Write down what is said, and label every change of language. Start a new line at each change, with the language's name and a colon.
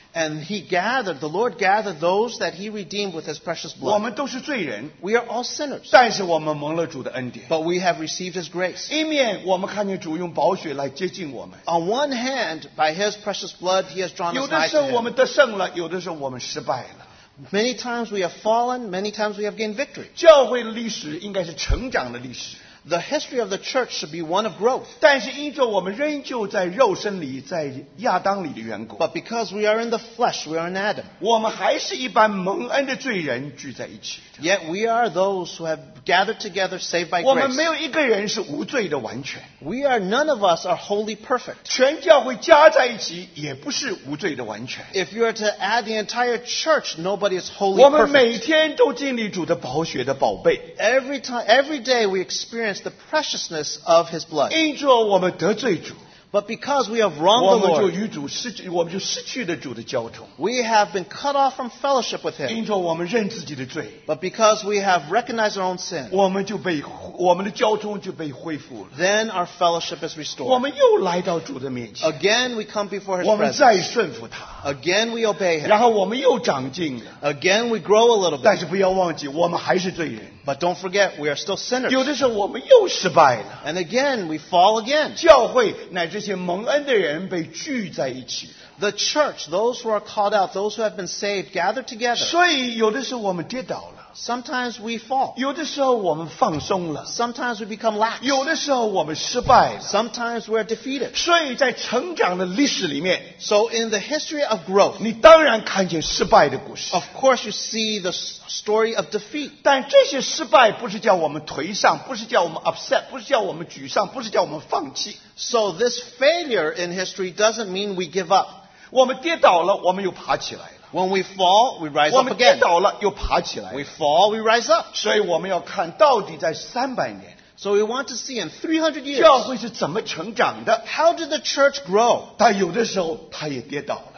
English: And he gathered, the Lord gathered those that he redeemed with his precious blood.
Chinese: 我们都是罪人,
English: we are all sinners.
Chinese: 但是我们蒙了主的恩典,
English: but we have received his grace.
Chinese: 一面我们看见主用宝血来接近我们,
English: on one hand, by his precious blood, he has drawn us nigh to him.
Chinese: 有的时候我们得胜了, 有的时候我们失败了。
English: Many times we have fallen, many times we have gained victory.
Chinese: 教会历史应该是成长的历史。
English: The history of the church should be one of growth.
Chinese: 但是因着我们仍旧在肉身里，在亚当里的缘故。
English: But because we are in the flesh, we are in Adam.
Chinese: 我们还是一般蒙恩的罪人聚在一起。
English: Yet we are those who have gathered together, saved by grace.
Chinese: 我们没有一个人是无罪的完全。
English: We are none of us are wholly perfect.
Chinese: 全教会加在一起也不是无罪的完全。
English: If you are to add the entire church, nobody is wholly perfect.
Chinese: 我们每天都经历主的宝血的宝贝。
English: Every day we experience the preciousness of his blood.
Chinese: 因着我们得罪主。
English: But because we have wronged the Lord,
Chinese: 我们就失去了主的交通。
English: We have been cut off from fellowship with him.
Chinese: 因着我们认自己的罪。
English: But because we have recognized our own sin,
Chinese: 我们的交通就被恢复了。
English: Then our fellowship is restored.
Chinese: 我们又来到主的面前。
English: Again we come before his
Chinese: 我们再顺服他。
English: presence. Again we obey him.
Chinese: 然后我们又长进了。
English: Again we grow a little bit.
Chinese: 但是不要忘记, 我们还是罪人。
English: But don't forget, we are still sinners.
Chinese: 有的时候我们又失败了。
English: And again, we fall again.
Chinese: 教会乃这些蒙恩的人被聚在一起。
English: The church, those who are called out, those who have been saved, gathered together.
Chinese: 所以有的时候我们跌倒了。
English: Sometimes we fall.
Chinese: 有的时候我们放松了。
English: Sometimes we become lax.
Chinese: 有的时候我们失败了。
English: Sometimes we are defeated.
Chinese: 所以在成长的历史里面,
English: so in the history of growth,
Chinese: 你当然看见失败的故事。
English: Of course you see the story of defeat.
Chinese: 但这些失败不是叫我们颓丧，不是叫我们upset, 不是叫我们沮丧, 不是叫我们放弃。
English: So this failure in history doesn't mean we give up.
Chinese: 我们跌倒了，我们又爬起来了。
English: When we fall, we rise up again.
Chinese: 我们跌倒了，又爬起来。
English: We fall, we rise up.
Chinese: 所以我们要看到底在300年。
English: So we want to see in 300 years,
Chinese: 教会是怎么成长的。
English: How did the church grow?
Chinese: 但有的时候它也跌倒了。